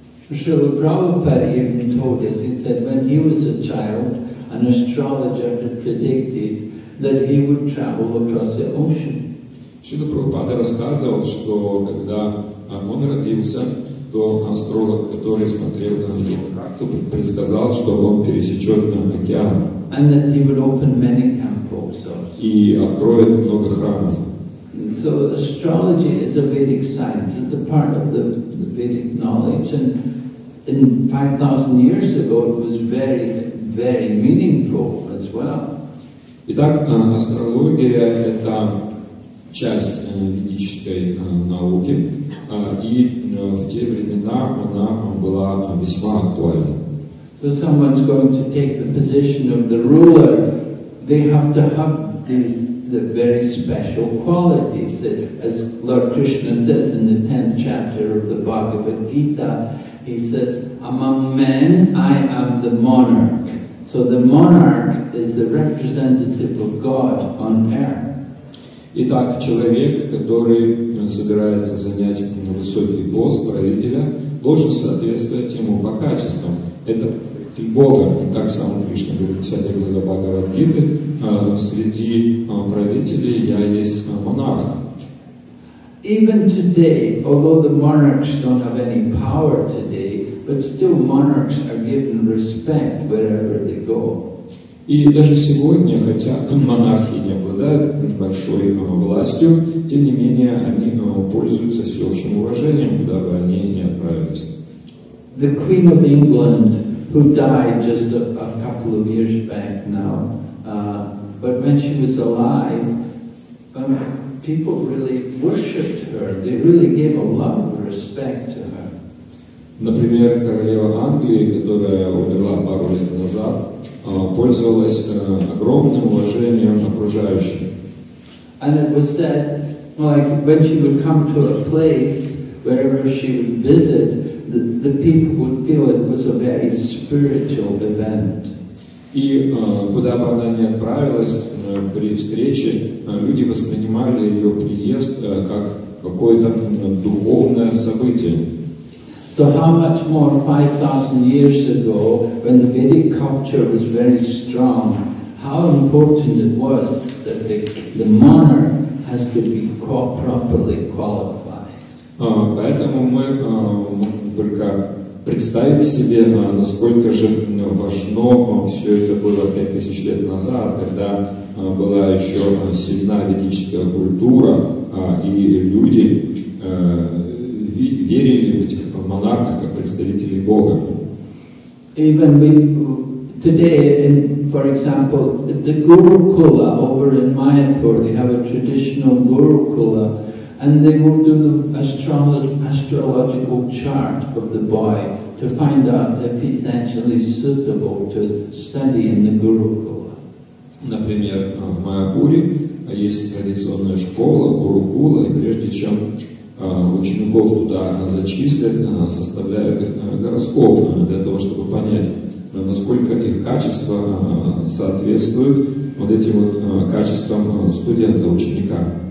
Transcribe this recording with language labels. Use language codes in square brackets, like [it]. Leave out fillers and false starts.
[en] Шрила Прабхупада even told us, he said, when he was a child, an astrologer had predicted that he would travel across the ocean. [ru] Шрила Прабхупада рассказывал, что когда он родился, то астролог, который смотрел на него карту, предсказал, что он пересечет океан. [en] And that he would open many temples. [ru] И откроет много храмов. [en] So astrology is a Vedic science. It's a part of the Vedic knowledge, and in 5,000 years ago, it was very, very meaningful as well. [ru] Итак, астрология — это часть ведической науки, и в те времена она была весьма актуальна. [en] So someone's going to take the position of the ruler. They have to have the very special qualities that, as Lord Krishna says in the 10th chapter of the Bhagavad Gita, he says, among men I am the monarch. So the monarch is the representative of God on earth. [ru] Итак, человек, который собирается занять высокий пост правителя, должен соответствовать ему по качествам. Это Бога, как сам Кришна говорит, кстати, говоря, Бхагавад Гиты, среди правителей я есть монарх. [en] Even today, although the monarchs don't have any power today, but still monarchs are given respect wherever they go. [ru] И даже сегодня, хотя монархи не обладают обладают большой властью, тем не менее они пользуются всеобщим уважением, куда бы они ни отправились. [en] The Queen of England, who died just a couple of years back now, but when she was alive, people really worshipped her. They really gave a lot of respect to her. [ru] Например, королева Англии, которая умерла пару лет назад, пользовалась огромным уважением окружающих. [en] And it was said, like when she would come to a place, wherever she would visit, the people would feel it was a very spiritual event. [ru] И куда бы она ни отправилась при встрече, люди воспринимали ее приезд как какое-то духовное событие. [en] So how much more 5,000 years ago, when the Vedic culture was very strong, how important it was that the monarch has to be properly qualified. [ru] Поэтому мы можем только представить себе, насколько же важно все это было 5000 лет назад, когда была еще сильна ведическая культура, и люди верили в этих монархов как представителей Бога. [en] Even we, today, in, for example, the Gurukula over in Mayapur, they have a traditional Gurukula, and they will do the astrological chart of the boy to find out if he's actually suitable to study in the Gurukula. [ru] Например, в Майяпуре есть традиционная школа Гурукула, и прежде чем учеников туда зачислят, составляют их гороскоп для того, чтобы понять, насколько их качество соответствует вот этим вот качествам студента, ученика.